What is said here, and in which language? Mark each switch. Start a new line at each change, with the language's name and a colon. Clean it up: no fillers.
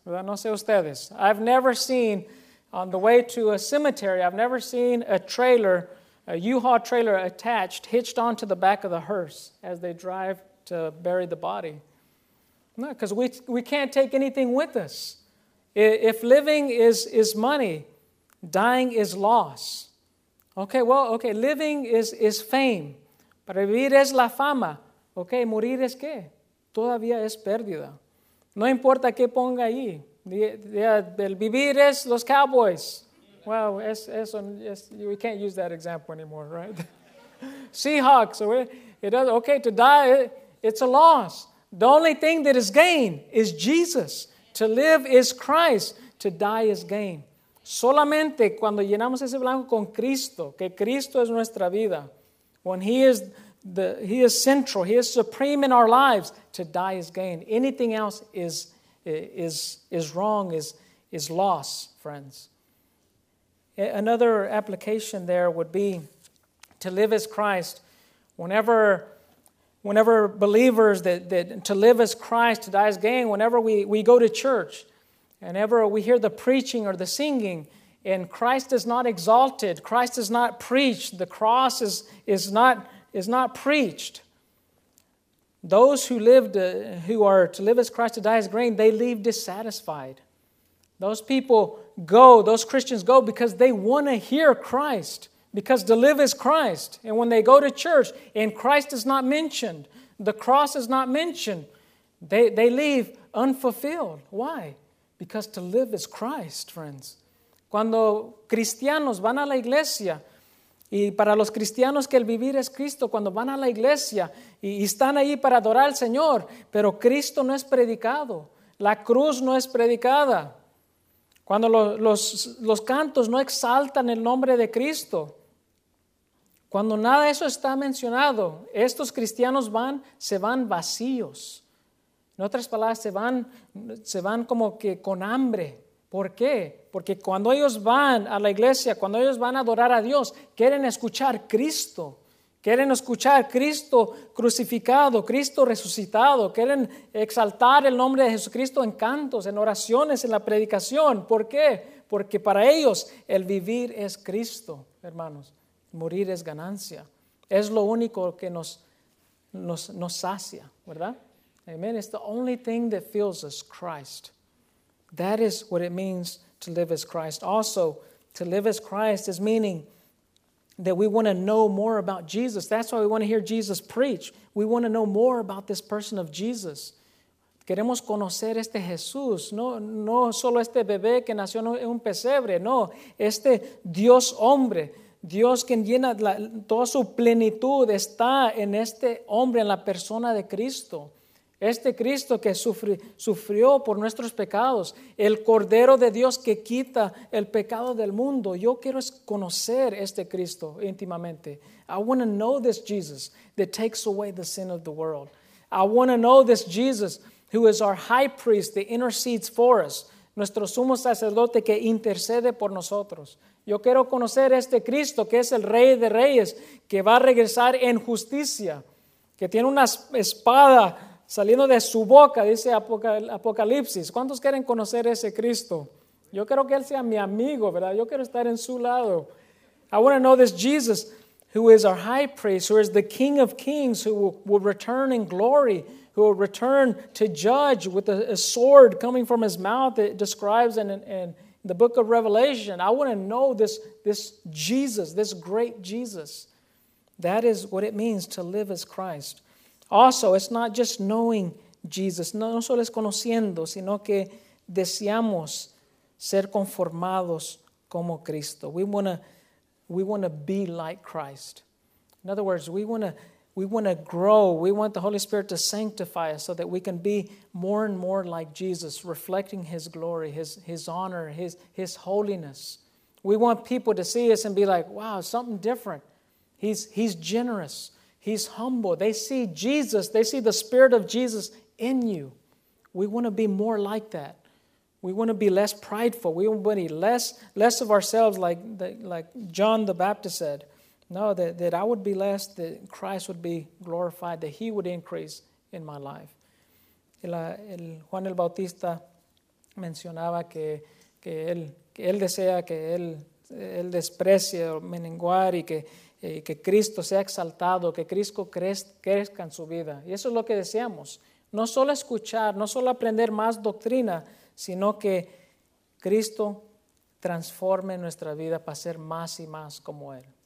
Spanish: No sé ustedes.
English: I've never seen, on the way to a cemetery, I've never seen a trailer, a U-Haul trailer attached, hitched onto the back of the hearse as they drive to bury the body. No, because we can't take anything with us. If living is money, dying is loss. Okay, living is fame.
Spanish: Para vivir es la fama. Okay, morir es qué? Todavía es pérdida. No importa qué ponga ahí. El vivir es los Cowboys.
English: Well, es, we can't use that example anymore, right? Seahawks. To die, it's a loss. The only thing that is gain is Jesus. To live is Christ. To die is gain. Solamente cuando llenamos ese blanco con Cristo, que Cristo es nuestra vida. When he is central, he is supreme in our lives. To die is gain. Anything else is wrong, is loss, friends. Another application there would be to live as Christ. Whenever believers that to live as Christ, to die as gain, whenever we go to church, whenever we hear the preaching or the singing, And Christ is not exalted. Christ is not preached. The cross is not preached. Those who lived, who are to live as Christ, to die as grain, they leave dissatisfied. Those people go, those Christians go, because they want to hear Christ, because to live is Christ. And when they go to church and Christ is not mentioned, the cross is not mentioned, they leave unfulfilled. Why? Because to live is Christ, friends.
Spanish: Cuando cristianos van a la iglesia, y para los cristianos que el vivir es Cristo, cuando van a la iglesia y están ahí para adorar al Señor, pero Cristo no es predicado, la cruz no es predicada, cuando los cantos no exaltan el nombre de Cristo, cuando nada de eso está mencionado, estos cristianos se van vacíos. En otras palabras, se van como que con hambre. ¿Por qué? Porque cuando ellos van a la iglesia, cuando ellos van a adorar a Dios, quieren escuchar Cristo. Quieren escuchar Cristo crucificado, Cristo resucitado. Quieren exaltar el nombre de Jesucristo en cantos, en oraciones, en la predicación. ¿Por qué? Porque para ellos el vivir es Cristo, hermanos. Morir es ganancia. Es lo único que nos sacia, ¿verdad? Amen.
English: It's the only thing that fills us, Christ. That is what it means to live as Christ. Also, to live as Christ is meaning that we want to know more about Jesus. That's why we want to hear Jesus preach. We want to know more about this person of Jesus.
Spanish: Queremos conocer este Jesús. No solo este bebé que nació en un pesebre. No, este Dios hombre. Dios quien llena toda su plenitud está en este hombre, en la persona de Cristo. Este Cristo que sufrió por nuestros pecados, el Cordero de Dios que quita el pecado del mundo. Yo quiero conocer este Cristo íntimamente.
English: I want to know this Jesus that takes away the sin of the world. I want to know this Jesus who is our high priest that intercedes for us.
Spanish: Nuestro sumo sacerdote que intercede por nosotros. Yo quiero conocer este Cristo que es el Rey de Reyes, que va a regresar en justicia, que tiene una espada saliendo de su boca, dice Apocalipsis. ¿Cuántos quieren conocer ese Cristo? Yo quiero que Él sea mi amigo, ¿verdad? Yo quiero estar en su lado.
English: I want to know this Jesus, who is our high priest, who is the King of Kings, who will return in glory, who will return to judge with a sword coming from His mouth that describes in the book of Revelation. I want to know this Jesus, this great Jesus. That is what it means to live as Christ. Also, it's not just knowing Jesus.
Spanish: No solo es conociendo, sino que deseamos ser conformados como Cristo.
English: We want to be like Christ. In other words, we want to grow. We want the Holy Spirit to sanctify us so that we can be more and more like Jesus, reflecting His glory, His honor, His holiness. We want people to see us and be like, wow, something different. He's generous. He's humble. They see Jesus. They see the Spirit of Jesus in you. We want to be more like that. We want to be less prideful. We want to be less of ourselves, like John the Baptist said. No, that I would be less, that Christ would be glorified, that He would increase in my life.
Spanish: Juan el Bautista mencionaba que él desea que él desprecie o menguar y que Cristo sea exaltado, que Cristo crezca en su vida. Y eso es lo que deseamos. No solo escuchar, no solo aprender más doctrina, sino que Cristo transforme nuestra vida para ser más y más como Él.